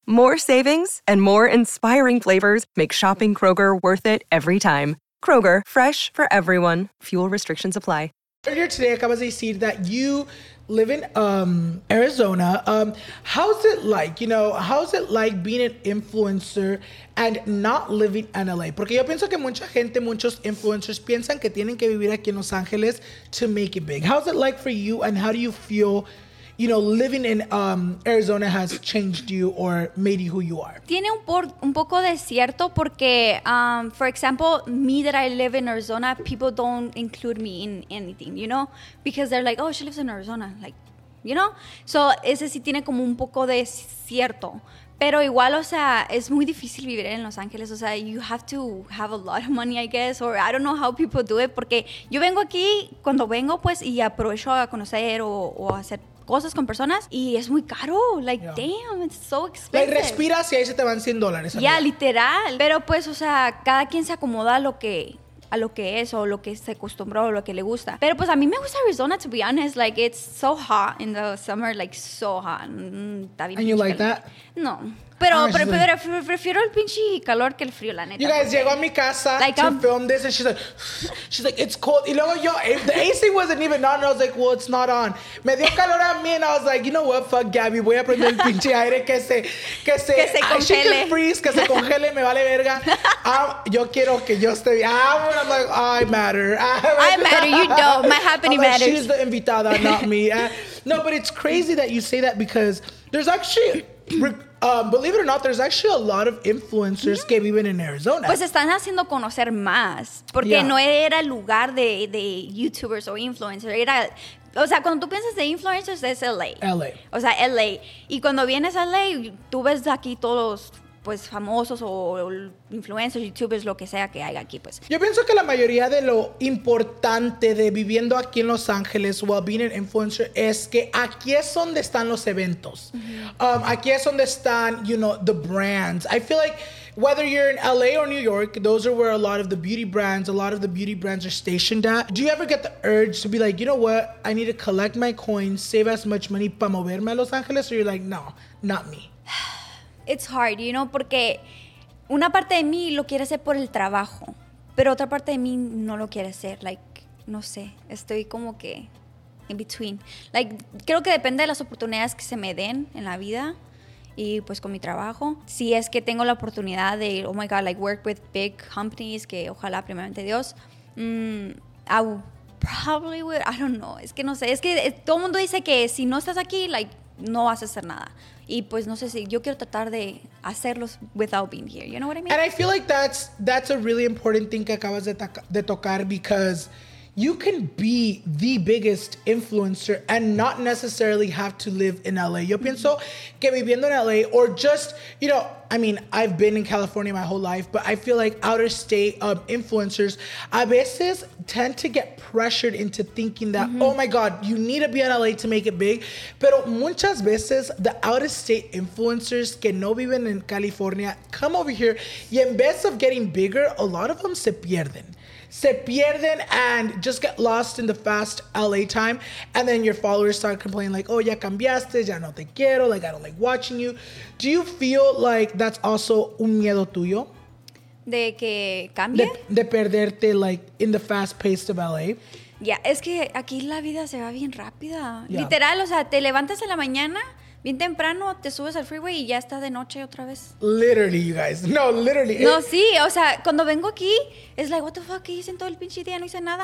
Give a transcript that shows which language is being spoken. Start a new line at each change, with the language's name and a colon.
English: More savings and more inspiring flavors make shopping Kroger worth it every time. Kroger, fresh for everyone. Fuel restrictions apply. Earlier today,
Spanish: acabas de decir
English: that you live in Arizona. How's it like? You know, how's it like being an influencer and not living in LA?
Spanish: Porque yo pienso que mucha gente, muchos influencers, piensan que tienen que vivir aquí en Los Ángeles
English: to make it big. How's it like for you, and how do you feel, you know, living in Arizona has changed you or made you who you are?
Spanish: Tiene un poco de cierto porque,
English: for example, me that I live in Arizona, people don't include me in anything, you know? Because they're like, oh, she lives in Arizona, like, you know?
Spanish: So, ese sí tiene como un poco de cierto. Pero igual, o sea, es muy difícil vivir en Los Ángeles. O sea,
English: you have to have a lot of money, I guess. Or I don't know how people do it.
Spanish: Porque yo vengo aquí, cuando vengo, pues, y aprovecho a conocer o hacer cosas con personas y es muy caro,
English: like yeah. Damn, it's so expensive. Like,
Spanish: respiras y ahí se te van $100. Ya,
English: yeah, literal.
Spanish: Pero pues, o sea, cada quien se acomoda a lo que es o lo que se acostumbró o lo que le gusta. Pero pues a mí me gusta Arizona,
English: to be honest. Like, it's so hot in the summer, like so hot.
Spanish: Está bien.
English: And you like that?
Spanish: No. Pero prefiero el pinche calor que el frío, la neta.
English: You guys,
Spanish: llego a mi casa
English: like, to film this and she's like, it's cold.
Spanish: Y luego yo,
English: the AC wasn't even on. And I was like, well, it's not on.
Spanish: Me dio calor a mí
English: and I was like, you know what, fuck Gabby.
Spanish: Voy a prender el pinche aire que se congele.
English: She can freeze,
Spanish: que se congele, me vale verga. Yo quiero que yo esté bien.
English: I'm like, oh, I matter. I matter, you don't. My happening like, matters. She's the invitada, not me. No, but it's crazy that you say that because there's actually... believe it or not, there's actually a lot of influencers mm-hmm.
Spanish: que viven
English: in Arizona.
Spanish: Pues están haciendo conocer más, porque
English: yeah.
Spanish: no era el lugar de YouTubers o influencers. Era, o sea, cuando tú piensas de influencers, es LA. LA. O sea, LA. Y cuando vienes a LA, tú ves aquí todos los pues famosos o influencers, youtubers, lo que sea que haya aquí, pues. Yo pienso que la mayoría de lo importante de viviendo aquí en Los Ángeles,
English: well, being an influencer,
Spanish: es que aquí es donde están los eventos. Mm-hmm. Aquí es donde están,
English: you know, the brands. I feel like whether you're in LA or New York, those are where a lot of the beauty brands are stationed at. Do you ever get the urge to be like, you know what, I need to collect my coins, save as much money
Spanish: para moverme a Los Ángeles?
English: Or you're like, no, not me. It's hard, you know,
Spanish: porque una parte de mí lo quiere hacer por el trabajo, pero otra parte de mí no lo quiere hacer.
English: Like,
Spanish: no sé, estoy como que
English: in between.
Spanish: Like, creo que depende de las oportunidades que se me den en la vida y pues con mi trabajo. Si es que tengo la oportunidad de,
English: oh my God, like work with big companies,
Spanish: que ojalá, primeramente Dios,
English: I don't know.
Spanish: Es que no sé, es que todo el mundo dice que si no estás aquí, like, no vas a hacer nada. Y pues no sé si yo quiero tratar de hacerlos
English: without being here. You know what I mean? And I feel like that's a really important thing
Spanish: que acabas de tocar,
English: because you can be the biggest influencer and not necessarily have to live in LA.
Spanish: Yo pienso que viviendo en LA,
English: or just, you know, I mean, I've been in California my whole life, but I feel like outer state influencers
Spanish: a veces
English: tend to get pressured into thinking that, mm-hmm. oh my God, you need to be in LA to make it big.
Spanish: Pero muchas veces
English: the out of state influencers
Spanish: que no viven
English: in California come over here,
Spanish: y en vez
English: of getting bigger, a lot of them
Spanish: se pierden
English: and just get lost in the fast LA time, and then your followers start complaining like,
Spanish: oh, ya cambiaste, ya no te quiero,
English: like, I don't like watching you. Do you feel like that's also
Spanish: un miedo tuyo? ¿De que cambie? De perderte,
English: like, in the fast pace of LA. Yeah,
Spanish: es que aquí la vida se va bien rápida.
English: Yeah.
Spanish: Literal, o sea, te levantas en la mañana bien temprano, te subes al freeway y ya está de noche otra vez.
English: Literally, you guys. No, literally.
Spanish: No, sí. O sea, cuando vengo aquí, es
English: like, what the fuck,
Spanish: ¿qué hice en todo el pinche día? No hice nada.